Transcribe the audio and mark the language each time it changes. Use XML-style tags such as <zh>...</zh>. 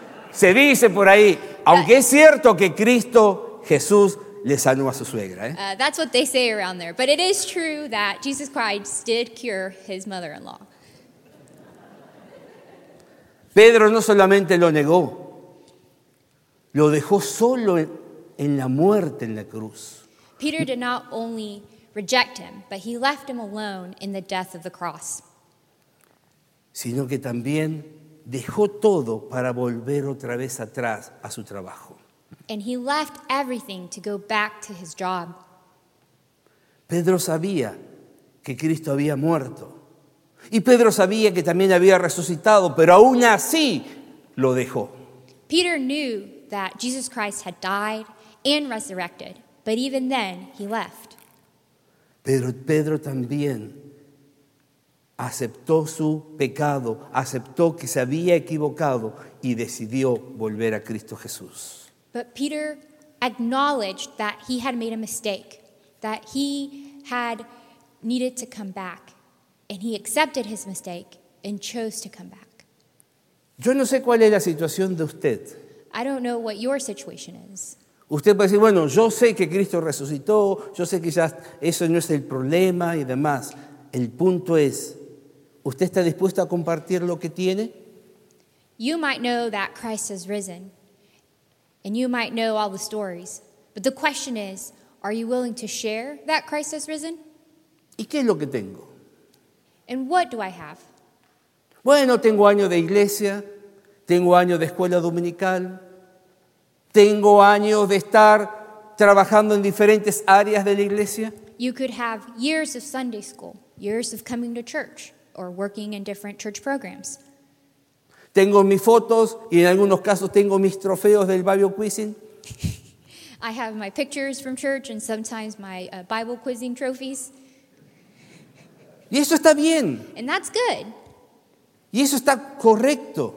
<es>Se dice por ahí, aunque es cierto que Cristo Jesús le sanó a su suegra. ¿Eh?</es> <en>That's what they say around there. But it is true that Jesus Christ did cure his mother-in-law.</en> <es>Pedro no solamente lo negó, lo dejó solo en la muerte en la cruz.</es> <en>Peter did not only reject him, but he left him alone in the death of the cross.</en> <es>Sino que también dejó todo para volver otra vez atrás a su trabajo.</es> <en>And he left everything to go back to his job.</en> <es>Pedro sabía que Cristo había muerto. Y Pedro sabía que también había resucitado, pero aún así lo dejó.</es> <en>Peter knew that Jesus Christ had died and resurrected, but even then he left.</en> <es>Pero Pedro también aceptó su pecado, aceptó que se había equivocado y decidió volver a Cristo Jesús.</es> <en>But Peter acknowledged that he had made a mistake, that he had needed to come back, and he accepted his mistake and chose to come back.</en> <es>Yo no sé cuál es la situación de usted.</es> <en>I don't know what your situation is.</en> <es>Usted puede decir, bueno, yo sé que Cristo resucitó, yo sé que ya eso no es el problema y demás. El punto es, ¿usted está dispuesto a compartir lo que tiene?</es> <en>You might know that Christ has risen, and you might know all the stories. But the question is, are you willing to share that Christ has risen?</en> <es>¿Y qué es lo que tengo?</es> <en>And what do I have?</en> <es>Bueno, tengo años de iglesia. Tengo años de escuela dominical. Tengo años de estar trabajando en diferentes áreas de la iglesia.</es> <en>You could have years of Sunday school, years of coming to church, or working in different church programs.</en> <es>Tengo mis fotos, y en algunos casos tengo mis trofeos del Bible quizzing.</es> <en>I have my pictures from church and sometimes my Bible quizzing trophies.</en> <es>Y eso está bien.</es> <en>And that's good.</en> <es>Y eso está correcto.</es>